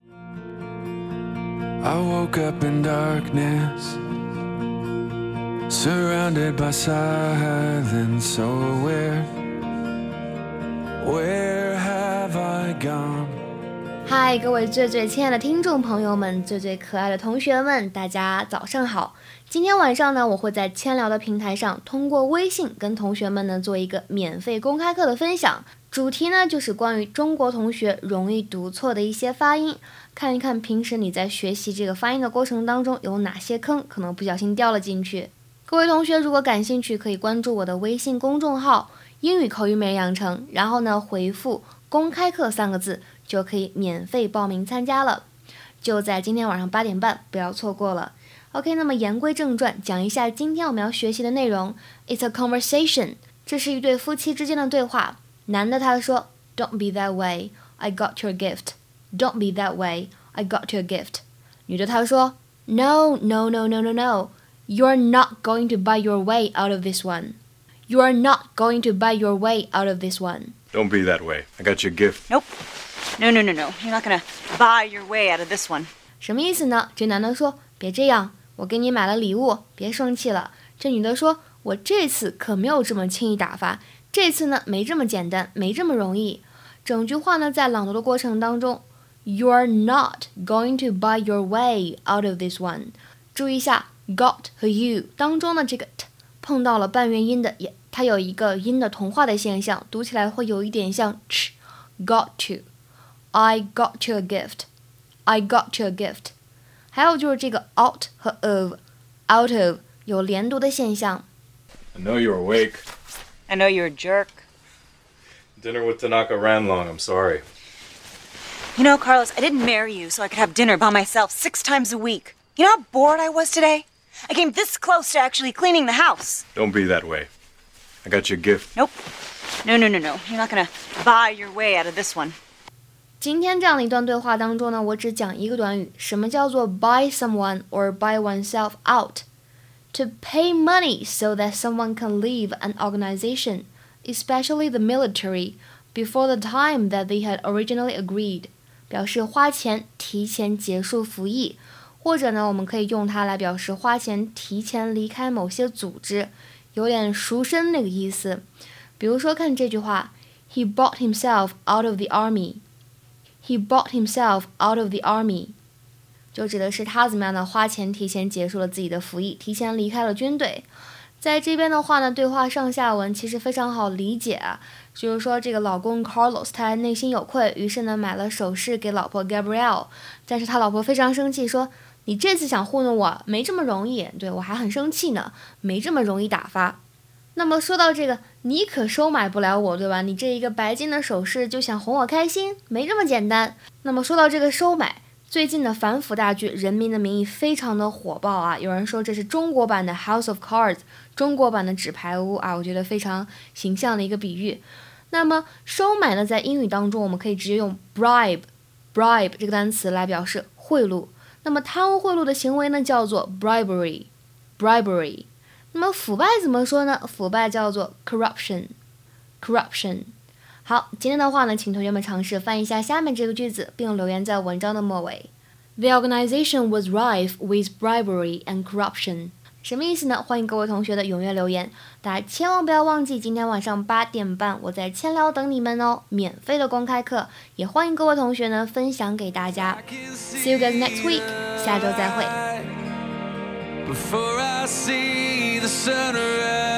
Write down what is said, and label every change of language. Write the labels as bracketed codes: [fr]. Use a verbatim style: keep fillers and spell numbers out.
[en] I woke up in darkness, surrounded by silence, so where, where have I gone? [zh] 嗨，各位最最亲爱的听众朋友们，最最可爱的同学们，大家早上好。今天晚上呢，我会在千聊的平台上，通过微信跟同学们呢做一个免费公开课的分享。主题呢就是关于中国同学容易读错的一些发音，看一看平时你在学习这个发音的过程当中有哪些坑可能不小心掉了进去。各位同学如果感兴趣，可以关注我的微信公众号英语口语美养成，然后呢回复公开课三个字就可以免费报名参加了，就在今天晚上八点半，不要错过了。 OK， 那么言归正传，讲一下今天我们要学习的内容。 [en] It's a conversation， [zh] 这是一对夫妻之间的对话。男的他说 [en] Don't be that way, I got your gift. Don't be that way, I got your gift. [zh] 女的她说 [en] No, no, no, no, no, no. You're not going to buy your way out of this one. You're not going to buy your way out of this one. Don't be that way. I got your gift. Nope. No, no, no, no. You're not going to buy your way out of this one. [zh] 什么意思呢？这男的说别这样，我给你买了礼物，别生气了。这女的说我这次可没有这么轻易打发。这次呢没这么简单，没这么容易。整句话呢在朗读的过程当中 [en] You're not going to buy your way out of this one， [zh] 注意一下 got 和 you 当中的这个 t 碰到了半元音的，也它有一个音的同化的现象，读起来会有一点像 ch。 [en] Got you, I got your gift, I got your gift。 [zh] 还有就是这个 out 和 of， out of 有连读的现象。 [en] I know you're awake， I know you're a jerk. Dinner with Tanaka ran long, I'm sorry. You know, Carlos, I didn't marry you so I could have dinner by myself six times a week. You know how bored I was today? I came this close to actually cleaning the house. Don't be that way. I got your gift. Nope. No, no, no, no. You're not gonna buy your way out of this one. [zh] 今天这样的一段对话当中呢，我只讲一个短语，什么叫做 [en] buy someone or buy oneself out? To pay money so that someone can leave an organization, especially the military, before the time that they had originally agreed. [zh] 表示花钱提前结束服役，或者呢，我们可以用它来表示花钱提前离开某些组织，有点赎身那个意思。比如说看这句话 [en] ，He bought himself out of the army. He bought himself out of the army. [zh] 就指的是他怎么样呢？花钱提前结束了自己的服役，提前离开了军队。在这边的话呢，对话上下文其实非常好理解啊。就是说，这个老公 Carlos 他内心有愧，于是呢买了首饰给老婆 Gabrielle， 但是他老婆非常生气，说：“你这次想糊弄我，没这么容易。对我还很生气呢，没这么容易打发。” 那么说到这个，你可收买不了我，对吧？你这一个白金的首饰就想哄我开心，没这么简单。那么说到这个收买。最近的反腐大剧《人民的名义》非常的火爆啊，有人说这是中国版的 House of Cards， 中国版的纸牌屋啊，我觉得非常形象的一个比喻。那么收买呢，在英语当中我们可以直接用 bribe， bribe 这个单词来表示贿赂。那么贪污贿赂的行为呢，叫做 bribery， bribery。那么腐败怎么说呢？腐败叫做 corruption， corruption。好，今天的话呢，请同学们尝试翻译一下下面这个句子，并留言在文章的末尾。 [en] The organization was rife with bribery and corruption。 [zh] 什么意思呢？欢迎各位同学的踊跃留言，大家千万不要忘记，今天晚上八点半我在千聊等你们哦，免费的公开课，也欢迎各位同学呢分享给大家。 [en] See you guys next week， [zh] 下周再会。